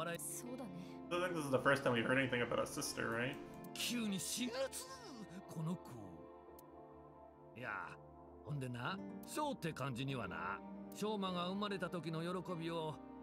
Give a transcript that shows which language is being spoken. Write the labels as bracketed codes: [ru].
[ja] ショーの漢字は笑うって字にしようと思ったんや。笑いを磨くで、ショーマ。せやけど、そのことをお姉ちゃんに言うたらな、それ自分の芸名にしたらって言われてもうてな。確かに父ちゃんもお笑い。そうだね。I [en] think this is the first time we've heard anything about a sister, right? [ja] 急に死ぬつ、この子。いや、ほんでな、ショーって漢字にはな、ショーマが生まれた時の喜びを。